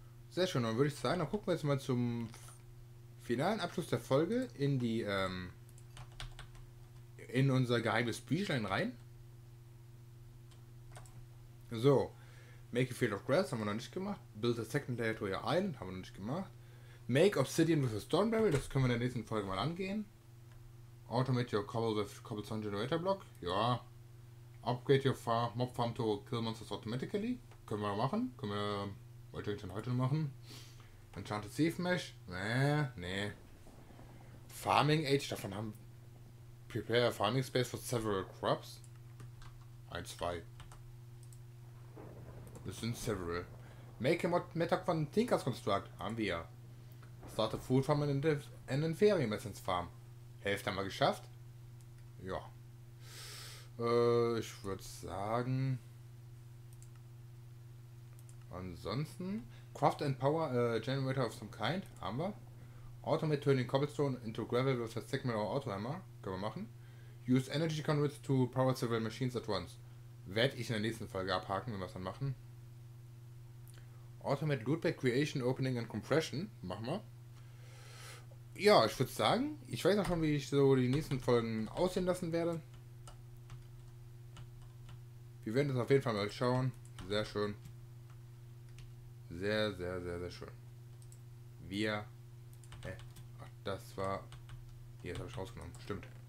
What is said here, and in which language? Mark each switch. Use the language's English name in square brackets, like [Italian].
[German] Sehr schön, dann würde ich sagen, dann gucken wir jetzt mal zum finalen Abschluss der Folge in die in unser geheimes Büchlein rein. [English] So. Make a field of grass [German] haben wir noch nicht gemacht. [English] Build a second layer to your island haben wir noch nicht gemacht. Make obsidian with a stone barrel, [German] das können wir in der nächsten Folge mal angehen. [English] Automate your cobble with cobblestone generator block. Ja. Upgrade your farm, mob farm to kill monsters automatically. [German] Können wir machen. Können wir wollte ich dann heute machen. Enchanted Thief Mesh. Nee. Farming Age, davon haben. [English] Prepare a farming space for several crops. 1, 2. [German] Das sind several. [English] Make a mod Metag [German] von Tinkers Construct. Haben wir. [English] Start a food farm and an Inferium Essence Farm. [German] Hälfte haben wir geschafft. Ja. Ich würde sagen. Ansonsten. [English] Craft and Power Generator of some kind. [German] Haben wir. [English] Automate turning cobblestone into gravel with a Sigma or Auto Hammer. [German] Können wir machen. [English] Use energy conduits to power several machines at once. [German] Werde ich in der nächsten Folge abhaken, wenn wir es dann machen. [English] Automate Lootback Creation, Opening and Compression. [German] Machen wir. Ja, ich würde sagen, ich weiß auch schon, wie ich so die nächsten Folgen aussehen lassen werde. Wir werden das auf jeden Fall mal schauen. Sehr schön. Sehr, sehr, sehr, sehr schön. Wir. Ach, das war. Hier, das habe ich rausgenommen. Stimmt.